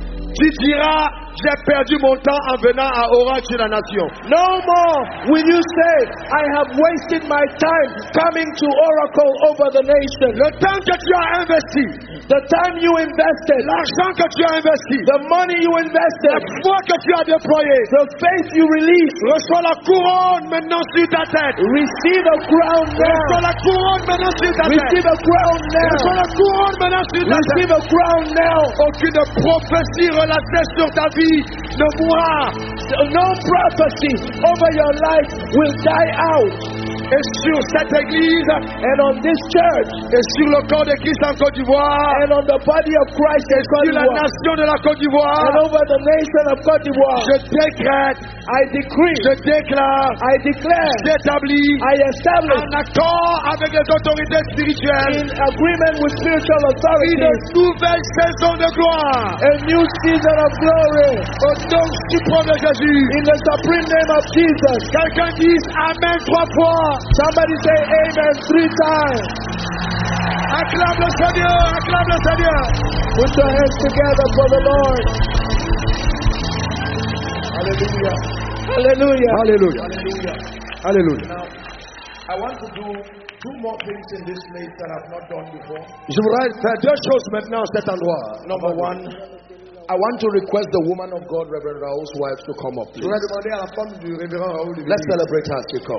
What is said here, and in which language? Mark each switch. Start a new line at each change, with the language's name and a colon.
French: Tu diras, j'ai perdu mon temps en venant à Orange la Nation.
English: No more will you say, I have wasted my time coming to Oracle over the nation.
French: Le temps que tu as investi.
English: The time you invested.
French: L'argent que tu as investi.
English: The money you invested.
French: La foi que tu as déployé.
English: The faith you released.
French: Reçois la couronne maintenant sur ta tête.
English: Receive a crown now.
French: Reçois la couronne maintenant sur ta tête.
English: Receive a crown now.
French: Reçois la couronne maintenant sur ta tête.
English: Receive a crown now.
French: Aucune prophétie relâchée sur ta vie ne mourra.
English: No prophecy over your life will die out.
French: Et sur cette église,
English: and on this church,
French: et sur le corps de Christ en Côte d'Ivoire,
English: and on the body of Christ in Côte d'Ivoire,
French: et sur la nation de la Côte d'Ivoire,
English: and over the nation of Côte d'Ivoire,
French: je décrète,
English: I decree,
French: je déclare,
English: I declare,
French: j'établis,
English: I establish,
French: en accord avec les autorités spirituelles,
English: in agreement with spiritual authorities,
French: une nouvelle saison de gloire,
English: a new season of glory,
French: au nom suprême de Jésus,
English: in the supreme name of Jesus.
French: Quelqu'un dise amen trois fois.
English: Somebody say amen three times.
French: Acclame le Seigneur, acclame le Seigneur.
English: Put your hands together for the Lord. Hallelujah. Hallelujah. Hallelujah. Hallelujah. Now, I want to do two more things in this place that I've not done before.
French: Je voudrais faire deux choses maintenant à cet endroit.
English: Number one. I want to request the woman of God, Reverend Raoul's wife, to come up, please. Let's celebrate her as she comes.